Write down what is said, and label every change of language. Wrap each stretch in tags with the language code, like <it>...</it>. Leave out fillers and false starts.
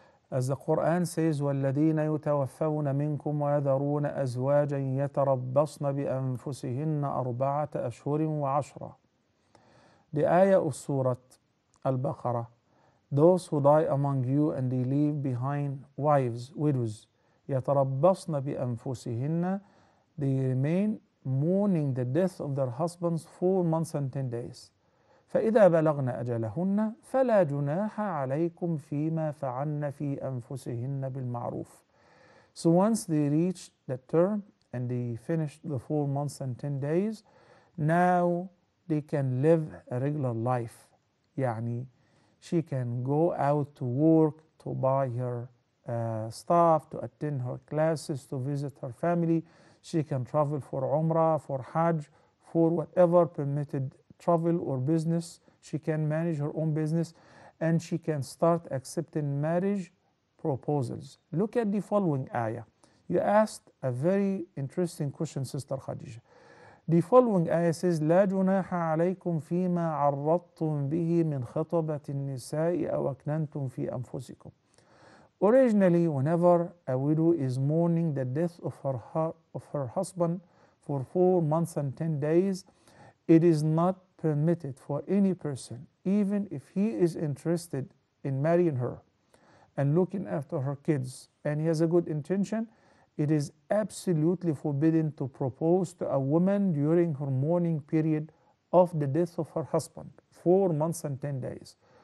<en>As the Quran says,</en> <ar>وَالَّذِينَ يُتَوَفَّوْنَ مِنْكُمْ وَيَذَرُونَ أَزْوَاجًا يَتَرَبَّصْنَ بِأَنفُسِهِنَّ أَرْبَعَةَ أَشْهُرٍ وَعَشْرًا.</ar> <en>The ayah of Surah Al-Baqarah, those who die among you and they leave behind wives, widows,</en> <ar>يَتَرَبَّصْنَ بِأَنفُسِهِنَّ,</ar> <en>they remain mourning the death of their husbands 4 months and 10 days.</en> <ar>فَإِذَا بَلَغْنَ أَجَلَهُنَّ فَلَا جُنَاحَ عَلَيْكُمْ فِي مَا فَعَلْنَ فِي أَنفُسِهِنَّ بِالْمَعْرُوفِ.</ar> <en>So once they reach that term and they finished the 4 months and 10 days, now they can live a regular life. يعني she can go out to work, to buy her staff, to attend her classes, to visit her family. She can travel for Umrah, for Hajj, for whatever permitted travel or business. She can manage her own business, and she can start accepting marriage proposals. Look at the following ayah. You asked a very interesting question, Sister Khadija. The following ayah says,</en> <ar>لا جناح عليكم فيما عرضتم به من خطبة النساء أو أكننتم في أنفسكم.</ar> <en>Originally, whenever a widow is mourning the death of her husband for 4 months and 10 days, it is not permitted for any person, even if he is interested in marrying her and looking after her kids, and he has a good intention, it is absolutely forbidden to propose to a woman during her mourning period of the death of her husband, 4 months and 10 days.</en>